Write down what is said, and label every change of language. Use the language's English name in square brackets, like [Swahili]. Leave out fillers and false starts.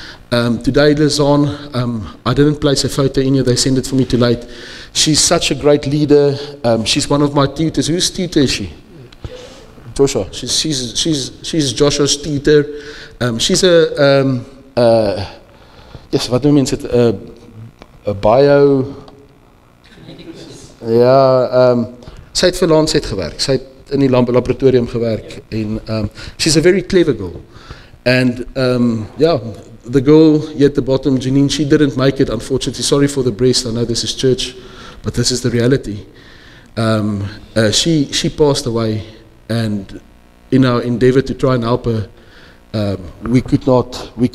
[English] Today, Lazan, I didn't place a photo in here, they sent it for me too late. She's such a great leader. She's one of my tutors. Whose tutor is she? Joshua. She's Joshua's tutor. She's a yes, what do you mean? Is it a bio? [Afrikaans] Yeah, sy het vir Lancet gewerk. Sy het in die laboratorium gewerk, [English] and she's a very clever girl. And the girl here at the bottom, Janine, she didn't make it, unfortunately. Sorry for the breast. I know this is church, but this is the reality. She passed away, and in our endeavor to try and help her, we could not.